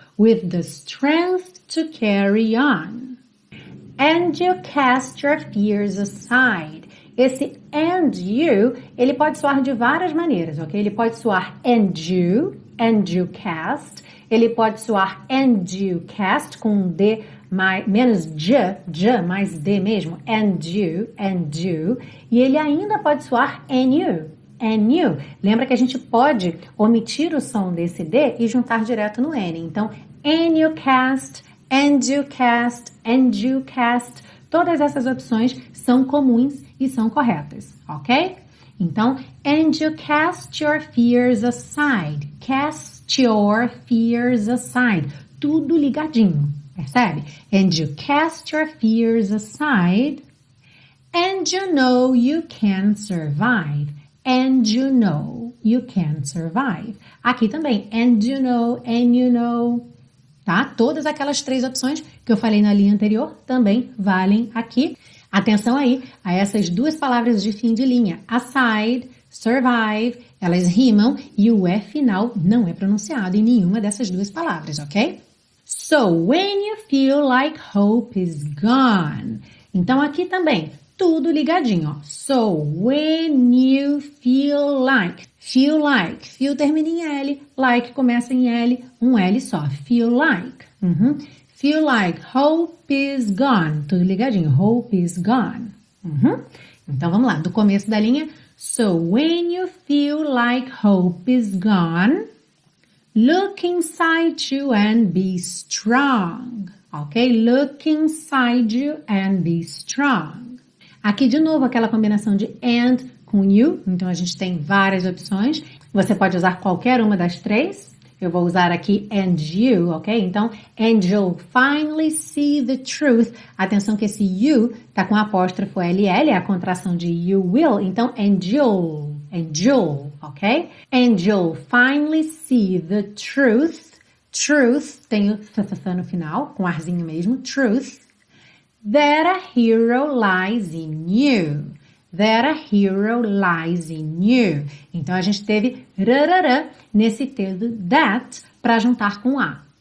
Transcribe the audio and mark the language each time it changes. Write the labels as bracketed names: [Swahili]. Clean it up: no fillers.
[English] With the strength to carry on. And you cast your fears aside. [Portuguese] Esse and you, ele pode soar de várias maneiras, ok? Ele pode soar [English] and you cast. [Portuguese] Ele pode soar [English] and you cast, [Portuguese] com D mais, menos j, mais D mesmo. [English] And you. [Portuguese] E ele ainda pode soar [English] and you. [Portuguese] Lembra que a gente pode omitir o som desse D e juntar direto no N. [English] Então, and you cast, and you cast, and you cast. [Portuguese] Todas essas opções são comuns e são corretas, ok? [English] Então, and you cast your fears aside. Cast your fears aside. [Portuguese] Tudo ligadinho, percebe? [English] And you cast your fears aside. And you know you can survive. And you know you can survive. [Portuguese] Aqui também, [English] and you know... [Portuguese] Tá? Todas aquelas três opções que eu falei na linha anterior também valem aqui. Atenção aí a essas duas palavras de fim de linha. Aside, survive, elas rimam e o E final não é pronunciado em nenhuma dessas duas palavras, ok? [English] So, when you feel like hope is gone. [Portuguese] Então, aqui também, tudo ligadinho. Ó. [English] So, when you feel like... [Portuguese] Feel like, feel termina em L, like começa em L, um L só, feel like. Uhum. [English] Feel like, hope is gone, [Portuguese] tudo ligadinho, [English] hope is gone. Uhum. [Portuguese] Então vamos lá, do começo da linha. [English] So when you feel like hope is gone, look inside you and be strong. Ok, look inside you and be strong. [Portuguese] Aqui de novo aquela combinação de and com you, então a gente tem várias opções. Você pode usar qualquer uma das três. Eu vou usar aqui [English] and you, [Portuguese] ok? [English] Então, and you'll finally see the truth. [Portuguese] Atenção que esse you tá com apóstrofo LL, é a contração de you will. [English] Então, and you'll, ok? And you'll finally see the truth. [Portuguese] Truth, tem o th no final, com arzinho mesmo, truth. [English] That a hero lies in you. That a hero lies in you. [Portuguese] Então, a gente teve rarara nesse T do that para juntar com A.